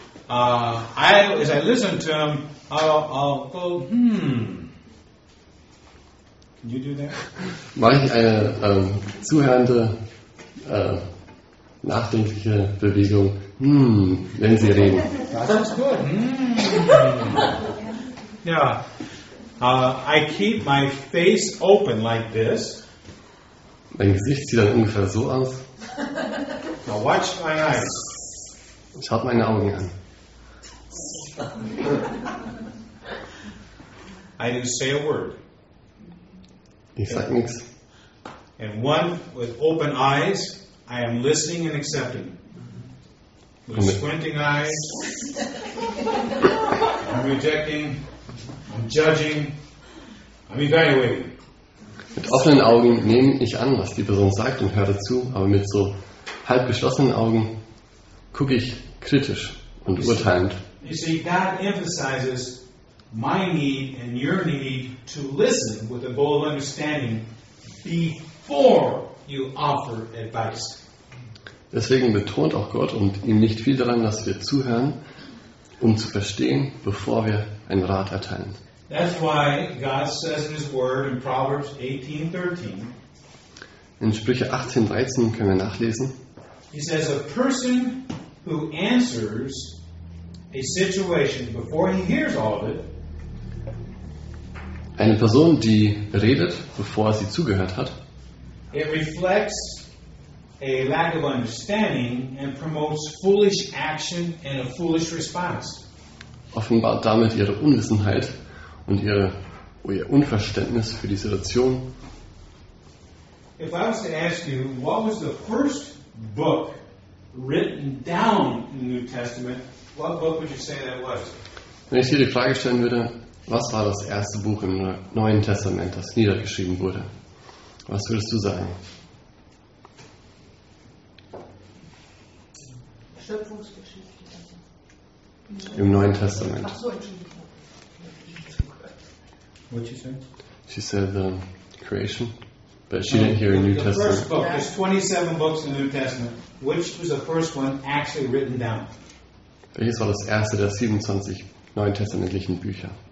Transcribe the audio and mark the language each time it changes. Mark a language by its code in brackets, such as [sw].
[en] As I listen to him, I'll go, Can you do that? [de] Mache ich eine zuhörende, nachdenkliche Bewegung, wenn Sie reden. [en] That's good. I keep my face open like this. [de] Mein Gesicht sieht dann ungefähr so aus. [en] Now watch my eyes. [de] Schaut meine Augen an. [en] I didn't say a word. [de] Ich sag nichts. [en] And one with open eyes, I am listening and accepting. With squinting eyes, I'm rejecting, I'm judging, I'm evaluating. [de] Mit offenen Augen nehme ich an, was die Person sagt und höre zu, aber mit so halb geschlossenen Augen gucke ich kritisch und urteilend. [en] You see, God emphasizes my need and your need to listen with a bold understanding before you offer advice. [de] Deswegen betont auch Gott und ihm nicht viel daran, dass wir zuhören, um zu verstehen, bevor wir einen Rat erteilen. [en] That's why God says in His Word in Proverbs 18:13. [de] In Sprüche 18:13 können wir nachlesen. [en] He says, a person who answers a situation before he hears all of it. [de] Eine Person, die redet, bevor sie zugehört hat. [en] It reflects a lack of understanding and promotes foolish action and a foolish response. [de] Offenbart damit ihre Unwissenheit und ihr Unverständnis für die Situation. [en] If I was to ask you, what was the first book written down in the New Testament, what book would you say that was? [de] Wenn ich dir die Frage stellen würde, was war das erste Buch im Neuen Testament, das niedergeschrieben wurde? Was würdest du sagen? Schöpfungsgeschichte. Im Neuen Testament. [en] What she said? She said creation, but she didn't hear a New Testament. The first book, there's 27 books in the New Testament. Which was the first one actually written down? [de] Welches war das erste der 27 neuen testamentlichen Bücher?